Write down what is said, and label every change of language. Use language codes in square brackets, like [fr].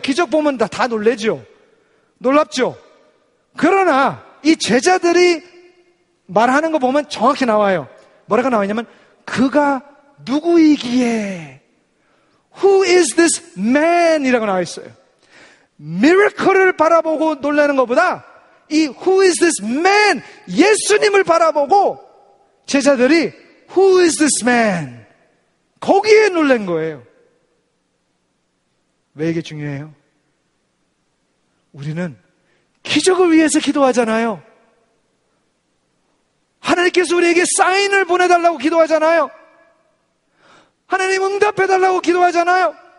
[ko] 기적 보면 다 놀래죠. 놀랍죠. 그러나 이 제자들이 말하는 거 보면 정확히 나와요. 뭐라고 나와있냐면 그가 누구이기에 [en] Who is this man? [ko] 이라고 나와있어요. 미라클을 바라보고 놀라는 것보다 이 [en] Who is this man? [ko] 예수님을 바라보고 제자들이 [en] Who is this man? [ko] 거기에 놀란 거예요. 왜 이게 중요해요? 우리는 기적을 위해서 기도하잖아요. 하나님께서 우리에게 사인을 보내달라고 기도하잖아요. 하나님 응답해달라고 기도하잖아요.